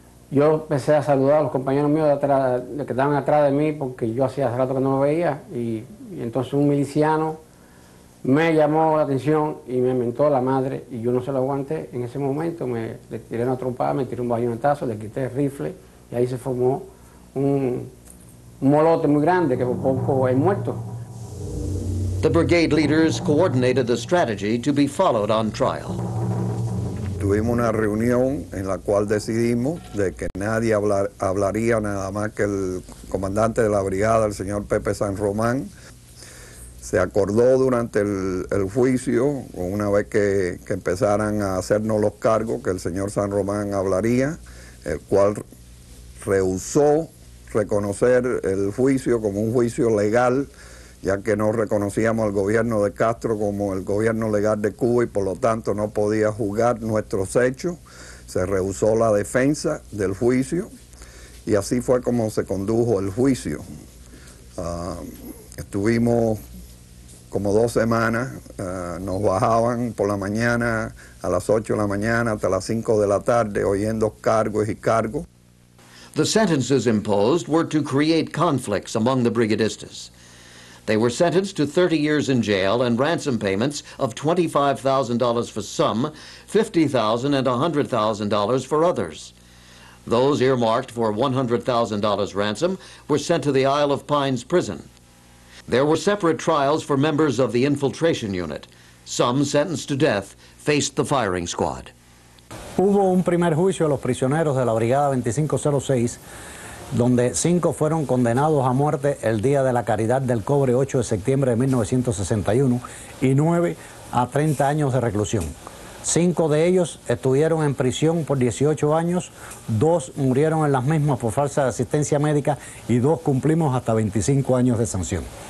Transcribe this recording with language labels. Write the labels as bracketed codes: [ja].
[es] Yo empecé a saludar a los compañeros míos de atrás, de que estaban atrás de mí, porque yo hacía rato que no lo veía, y entonces un miliciano me llamó la atención y me mentó la madre, y yo no se lo aguanté. En ese momento le tiré una trompada, me tiré un bayonetazo, le quité el rifle, y ahí se formó un molote muy grande, que por poco es muerto. [en] The brigade leaders coordinated the strategy to be followed on trial. [es] Tuvimos una reunión en la cual decidimos de que nadie hablaría nada más que el comandante de la brigada, el señor Pepe San Román. Se acordó durante el juicio, una vez que empezaran a hacernos los cargos, que el señor San Román hablaría, el cual rehusó reconocer el juicio como un juicio legal, ya que no reconocíamos al gobierno de Castro como el gobierno legal de Cuba y por lo tanto no podía juzgar nuestros hechos. Se rehusó la defensa del juicio y así fue como se condujo el juicio. Estuvimos como 2 semanas, nos bajaban por la mañana a las 8 de la mañana hasta las 5 de la tarde oyendo cargos y cargos. [en] The sentences imposed were to create conflicts among the brigadistas. They were sentenced to 30 years in jail and ransom payments of $25,000 for some, $50,000 and $100,000 for others. Those earmarked for $100,000 ransom were sent to the Isle of Pines prison. There were separate trials for members of the infiltration unit. Some sentenced to death faced the firing squad. [es] Hubo un primer juicio a los prisioneros de la Brigada 2506, donde 5 fueron condenados a muerte el día de la Caridad del Cobre, 8 de septiembre de 1961, y 9 a 30 años de reclusión. 5 de ellos estuvieron en prisión por 18 años, 2 murieron en las mismas por falsa de asistencia médica y 2 cumplimos hasta 25 años de sanción.